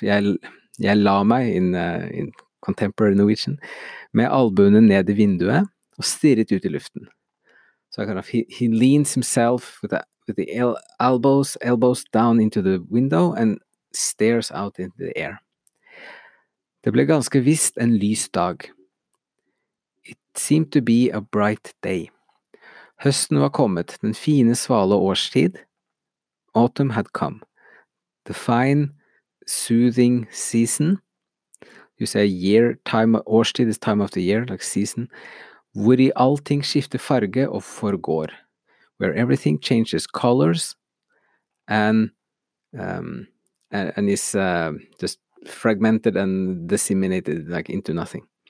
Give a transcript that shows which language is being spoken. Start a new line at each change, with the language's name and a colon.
Norwegian: Jeg la meg
English: in contemporary Norwegian,
Norwegian: med albuene ned I vinduet og stirret ut I luften.
English: So kind of he leans himself with the elbows down into the window and stares out into the air.
Norwegian: Det ble ganske visst en lys dag.
English: It seemed to be a bright day.
Norwegian: Høsten var kommet, den fine svale årstid.
English: Autumn had come. The fine, soothing season, you say year, time, årstid, this time of the year, like season,
Norwegian: hvor I allting skifter farge og forgår,
English: where everything changes colors and is just fragmented and disseminated, like into nothing.